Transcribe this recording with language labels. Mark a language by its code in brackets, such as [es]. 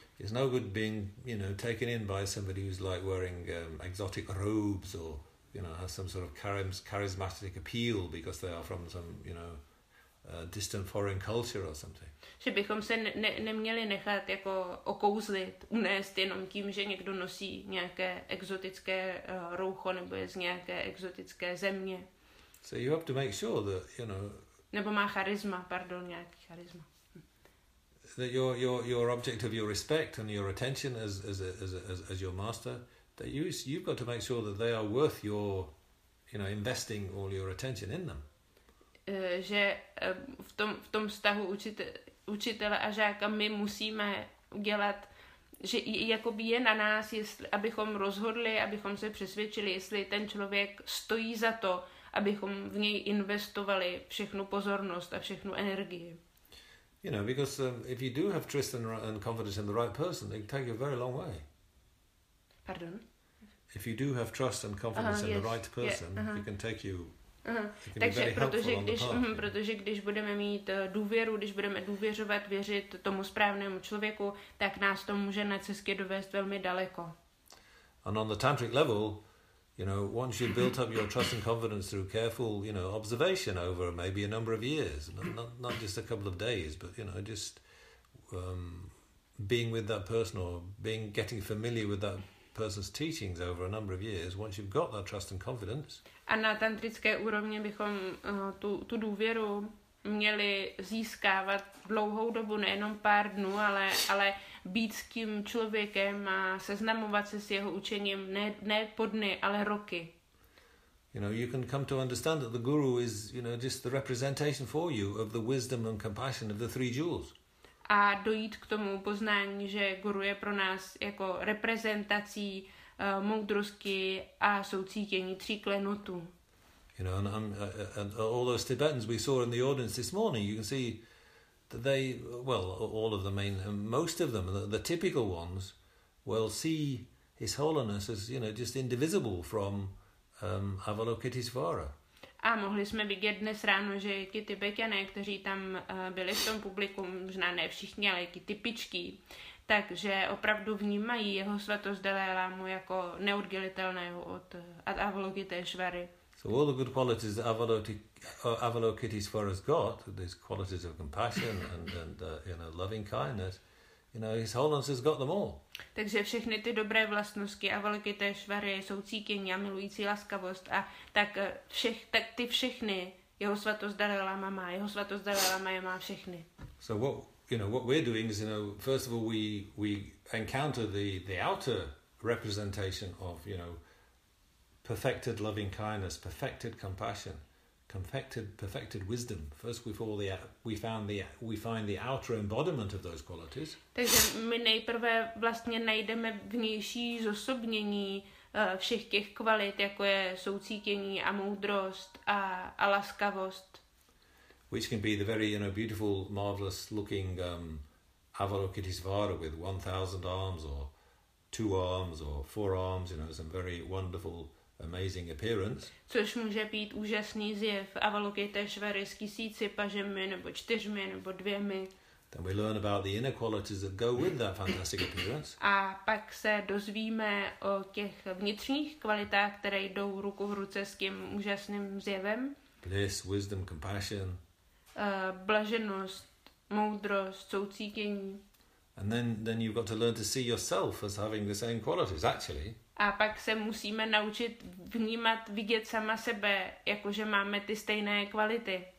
[en] It's no good being, you know, taken in by somebody who's like wearing exotic robes or, you know, has some sort of charismatic appeal because they are from some, you know, distant foreign culture or something. [cs] Že bychom se neměli nechat jako okouzlit, unést jenom tím, že někdo nosí nějaké exotické roucho nebo je z nějaké exotické země. [en] So you have to make sure that, you know, [cs] nebo má charisma, pardon, nějaký charisma. [en] That your object of your respect and your attention as your master, that you've got to make sure that they are worth your, you know, investing all your attention in them. [cs] Že v tom vztahu učitele a žáka my musíme udělat že jakoby je na nás, jestli, abychom rozhodli, abychom se přesvědčili, jestli ten člověk stojí za to, abychom v něj investovali všechnu pozornost a všechnu energii. [en] You know, because if you do have trust and confidence in the right person, it can take you a very long way. [cs] Pardon? [en] If you do have trust and confidence in the right person, it can take you. [cs] Takže protože když, protože když budeme mít důvěru, když budeme důvěřovat, věřit tomu správnému člověku, tak nás to může na cestě dovést velmi daleko. [en] And on the tantric level, you know, once you've built up your trust and confidence through careful, you know, observation over maybe a number of years, not just a couple of days, but you know, just being with that person or being getting familiar with that person's teachings over a number of years, once you've got that trust and confidence. [cs] A na tantrické úrovni bychom tu důvěru měli získávat dlouhou dobu, nejenom pár dnů, ale být s tím člověkem a seznamovat se s jeho učením ne po dny, ale roky. [en] You know, you can come to understand that the guru is, you know, just the representation for you of the wisdom and compassion of the three jewels. [cs] A dojít k tomu poznání, že guru je pro nás jako reprezentací moudrosti a soucítění tří klenotů. [en] You know, and all those Tibetans we saw in the audience this morning, you can see that they, well, all of them, most of them, the typical ones, will see His Holiness as, you know, just indivisible from Avalokiteshvara. [cs] A mohli jsme vidět dnes ráno, že ti Tibetané, kteří tam byli v tom publiku, možná ne všichni, ale ti typičtí, takže opravdu vnímají jeho svatost Dalai Lámu jako neoddělitelného od Avalokiteshvary. [en] So all the good qualities that Avalokiteshvara has got, these qualities of compassion and you know, loving kindness, you know, His Holiness has got them all. [cs] Takže všechny ty dobré vlastnosti Avalokiteshvary, soucítění a milující laskavost, a tak ty všechny jeho svatost Dalai Lama má, jeho svatost Dalai Lama je má všechny. [en] So what we're doing is, you know, first of all we encounter the outer representation of, you know, perfected loving kindness, perfected compassion, perfected wisdom. First, we find the outer embodiment of those qualities. [cs] Takže my nejprve vlastně najdeme vnější zosobnění všech těch kvalit, jako je soucítění a moudrost a laskavost. [en] Which can be the very, you know, beautiful, marvelous looking Avalokiteshvara with 1,000 arms or 2 arms or 4 arms, you know, some very wonderful, amazing appearance. [cs] Což může být úžasný zjev Avalokiteshvary s 1000 pažemi nebo 4 nebo 2. [en] Then we learn about the inner qualities that go with that fantastic appearance. [cs] A pak se dozvíme o těch vnitřních kvalitách, které jdou ruku v ruce s tím úžasným zjevem. [en] Bliss, wisdom, compassion. [cs] Blaženost, moudrost, soucítění. [en] And then you've got to learn to see yourself as having the same qualities actually. [cs] A pak se musíme naučit vnímat, vidět sama sebe, jakože máme ty stejné kvality.